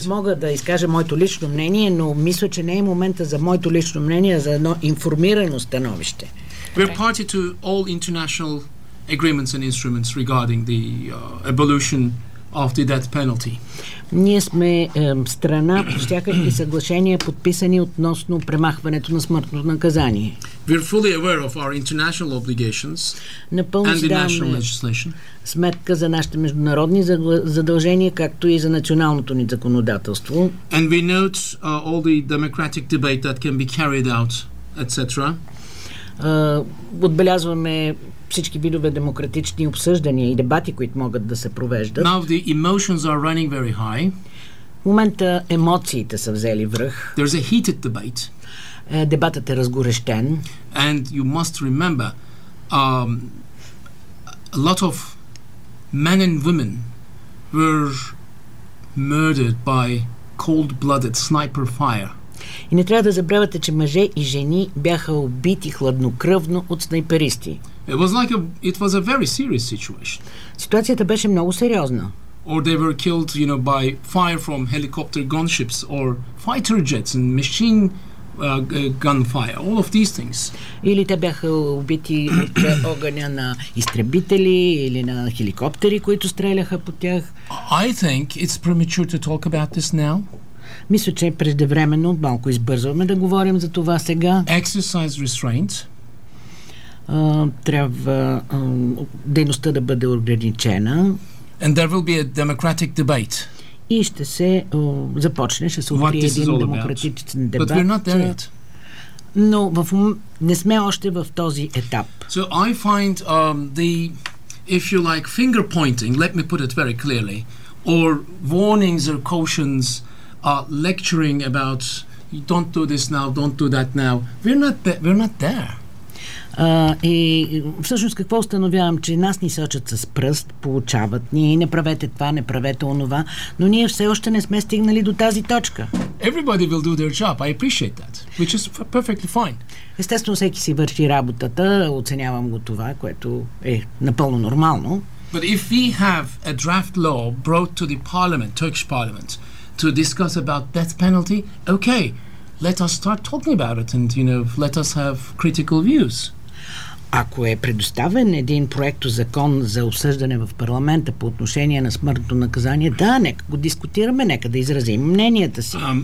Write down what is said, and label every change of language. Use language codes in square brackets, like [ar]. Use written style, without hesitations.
[bg] Аз мога да изкажа моето лично мнение, но мисля, че не е момента за моето лично мнение, за едно информирано становище. [en] We are party to all international agreements and instruments regarding the abolition of the death penalty. [bg] Ние сме страна по всякакви съглашения, подписани относно премахването на смъртното наказание. [en] We are fully aware of our international obligations and the national legislation. [bg] Сметка за нашите международни задължения, както и за националното ни законодателство. [en] And we note all the democratic debate that can be carried out, etc. [bg] Отбелязваме всички видове демократични обсъждания и дебати, които могат да се провеждат. [en] Now the emotions are running very high. [bg] В момента емоциите са взели връх. [en] There's a heated debate. [bg] Дебатът е разгорещен. [en] And you must remember a lot of men and women were murdered by cold-blooded sniper fire. [bg] И не трябва да забравяте, че мъже и жени бяха убити хладнокръвно от снайперисти. [en] It was like it was a very serious situation. [bg] Ситуацията беше много сериозна. [en] Or they were killed, you know, by fire from helicopter gunships or fighter jets and machine gunfire. All of these things. [bg] Или те бяха убити от огъня на изтребители или на хеликоптери, които стреляха по тях. [en] I think it's premature to talk about this now. [bg] Мисля, че преждевременно, малко избързваме да говорим за това сега. [en] Exercise restraint. [bg] Трябва дейността да бъде ограничена. [en] And there will be a democratic debate. [bg] И ще се започне, ще се открие един демократичен дебат. [en] But we're not there yet. [bg] Но не сме още в този етап. [en] So I find the, if you like, finger pointing, let me put it very clearly, or warnings or cautions, lecturing about you don't do this now, don't do that now. We're not there. [bg] И всъщност какво установявам, че нас ни сочат с пръст, получават ни, не правете това, не правете онова, но ние все още не сме стигнали до тази точка. [en] Everybody will do their job, I appreciate that, which is perfectly fine. [bg] Естествено, всеки си върши работата, оценявам го това, което е напълно нормално. [en] But if we have a draft law brought to the parliament, Turkish parliament, to discuss about death penalty, okay, let us start talking about it and, you know, let us have critical views. [bg] Ако е предоставен един проект закон за обсъждане в парламента по отношение на смъртното наказание, да, нека го дискутираме, нека да изразим мненията си.